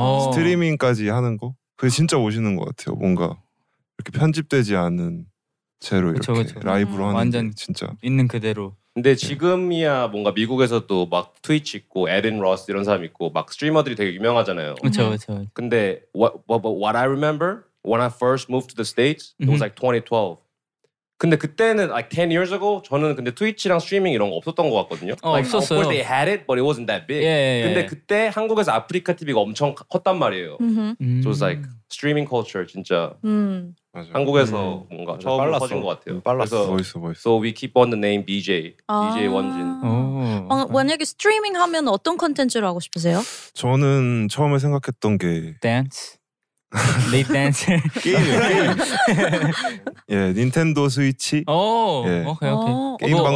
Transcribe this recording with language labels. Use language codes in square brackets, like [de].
[ko] 스트리밍까지 하는 거 그게 진짜 멋있는 것 같아요. 뭔가 이렇게 편집되지 않은 채로 이렇게 그쵸. 라이브로 하는 완전 게 진짜 있는 그대로. 근데 지금이야 네. 뭔가 미국에서도 막 트위치 있고 에든 로스 이런 사람 있고 막 스트리머들이 되게 유명하잖아요. 그렇죠, 그렇죠. 근데 [en] what I remember when I first moved to the States, it was like 2012. [ko] 근데 그때는 [en] like 10 years ago [ko] 저는 근데 트위치랑 스트리밍 이런 거 없었던 것 같거든요. 어, [en] like, [ko] 없었어요. [en] Of course they had it, but it wasn't that big. [ko] 예, 예, 근데 예. 그때 한국에서 아프리카 TV가 엄청 컸단 말이에요. [en] So it's like streaming culture [ko] 진짜 한국에서 뭔가 처음 빨랐어. 커진 것 같아요. 빨랐어. 멋있어, 멋있어. [en] So we keep on the name BJ. [ko] 아. BJ 원진. 어, 만약에 스트리밍 하면 어떤 콘텐츠로 하고 싶으세요? 저는 처음에 생각했던 게 댄스. [en] Late dancer. [ko] 게임. 예, 닌텐도 스위치. 오, 예. 오케이, 오케이. 게임 방송.